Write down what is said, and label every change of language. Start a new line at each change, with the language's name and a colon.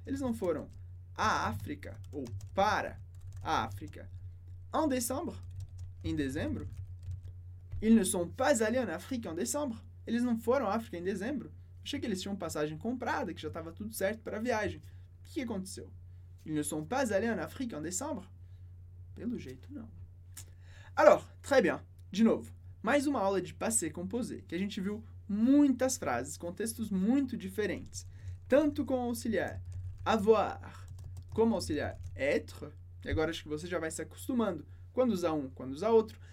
Portuguese: Eles não foram à África ou para a África.
French: En décembre.
Portuguese: Em dezembro.
French: Ils ne sont pas allés en Afrique en décembre.
Portuguese: Eles não foram à África em dezembro. Achei que eles tinham passagem comprada, que já estava tudo certo para a viagem. O que aconteceu?
French: Ils ne sont pas allés en Afrique en décembre?
Portuguese: Pelo jeito, não.
French: Alors, très bien.
Portuguese: De novo, mais uma aula de passé composé, que a gente viu muitas frases com textos muito diferentes. Tanto com o auxiliar avoir, como o auxiliar être. E agora acho que você já vai se acostumando quando usar um, quando usar outro.